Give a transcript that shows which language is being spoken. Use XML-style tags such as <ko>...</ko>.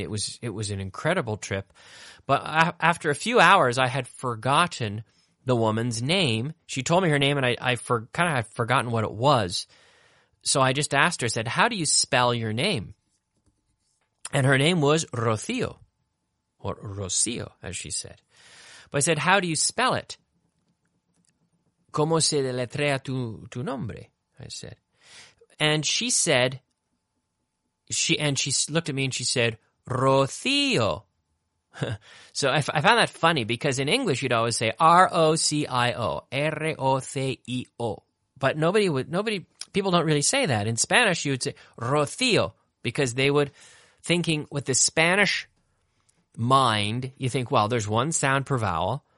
<en>It was an incredible trip. But after a few hours, I had forgotten the woman's name. She told me her name, and I had forgotten what it was. So I just asked her, I said, how do you spell your name? And her name was Rocio, or Rocio, as she said. But I said, how do you spell it?</en> <es>¿Cómo se deletrea tu nombre?</es> <en>I said. And she said, she looked at me and she said, Rocio. So I found that funny because in English you'd always say R-O-C-I-O, R-O-C-I-O. But people don't really say that. In Spanish you would say Rocio because they would, thinking with the Spanish mind, you think, well, there's one sound per vowel.</en>